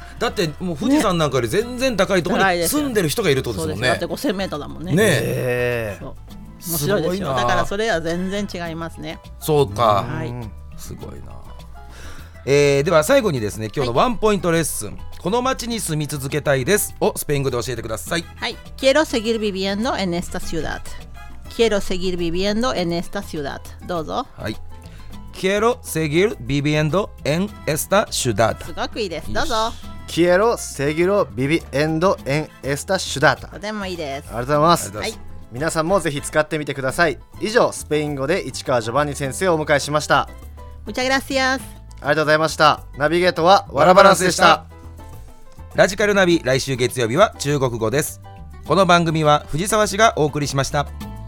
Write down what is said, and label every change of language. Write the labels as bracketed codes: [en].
[ja] だってもう富士山なんかより全然高いところに住んでる人がいるってことですもんね。だって 5000m だもんね。ねえ、面白いですよ。だからそれは全然違いますね。そうか、はい、すごいな。では最後にですね、今日のワンポイントレッスン、はい、この町に住み続けたいですをスペイン語で教えてください。 [es] はい、 Quiero seguir viviendo en esta ciudad. Quiero seguir viviendo en esta ciudad. [ja] どうぞ。 [es] はい、 Quiero seguir viviendo en esta ciudad. [ja] すごくいいです。どうぞ。 [es] Quiero seguir viviendo en esta ciudad. [ja] とてもいいです。ありがとうございます。はい、皆さんもぜひ使ってみてください。以上、スペイン語で市川ジョバンニ先生をお迎えしました。 [es] Muchas gracias. [ja] ありがとうございました。ナビゲートはワラバランスでした。ラジカルナビ、来週月曜日は中国語です。この番組は藤沢市がお送りしました。